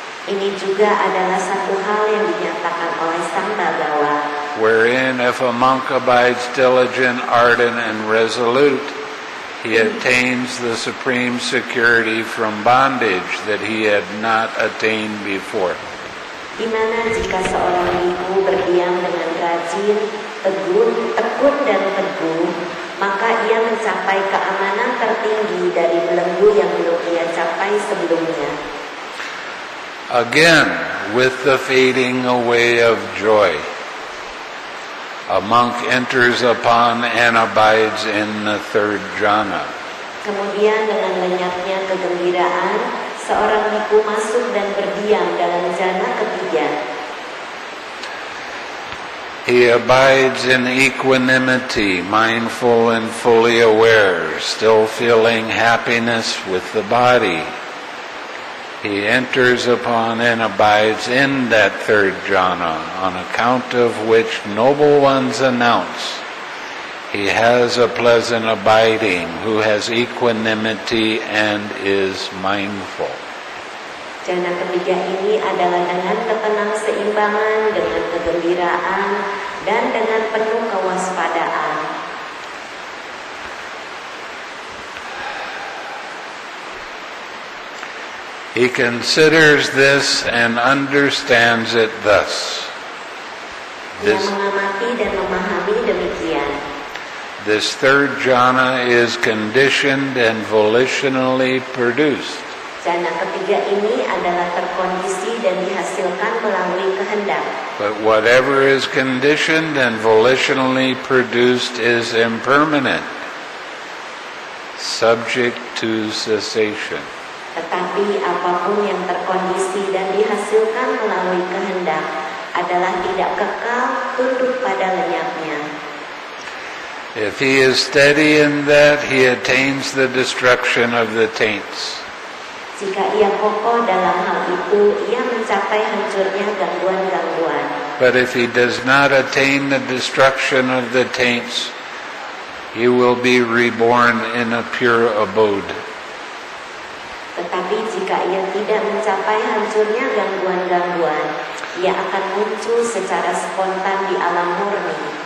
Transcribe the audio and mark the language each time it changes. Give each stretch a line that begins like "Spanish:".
Indonesian: Ini juga adalah satu hal yang dinyatakan oleh Sang Bhagawa.
English: Wherein if a monk abides diligent, ardent, and resolute, he attains the supreme security from bondage that he had not attained before.
Indonesian: Di mana jika seorang bhikkhu berdiam dengan rajin, tekun dan teguh, maka ia mencapai keamanan tertinggi dari belenggu yang belum ia capai sebelumnya.
English: Again, with the fading away of joy, a monk enters upon and abides in the third jhana.
Indonesian: Kemudian dengan lenyapnya kegembiraan, seorang bhikkhu masuk dan berdiam dalam jhana ketiga.
English: He abides in equanimity, mindful and fully aware, still feeling happiness with the body, He enters upon and abides in that third jhana, on account of which noble ones announce, he has a pleasant abiding, who has equanimity and is mindful.
Indonesian: Jhana ketiga ini adalah dengan ketenang seimbangan, dengan kegembiraan, dan dengan penuh kewaspadaan.
English: He considers this and understands it thus. This,
Indonesian: ia mengamati dan memahami demikian.
English: This third jhana is conditioned and volitionally produced.
Indonesian: Jhana ketiga ini adalah terkondisi dan dihasilkan melalui kehendak.
English: But whatever is conditioned and volitionally produced is impermanent, subject to cessation.
Indonesian: Tetapi apapun yang terkondisi dan dihasilkan melalui kehendak adalah tidak kekal, tunduk pada lenyapnya.
English: If he is steady in that, he attains the destruction of the taints.
Indonesian: Jika ia kokoh dalam hal itu, ia mencapai hancurnya gangguan-gangguan.
English: But if he does not attain the destruction of the taints, he will be reborn in a pure abode.
Indonesian: Tetapi jika ia tidak mencapai hancurnya gangguan-gangguan, ia akan muncul secara spontan di alam murni.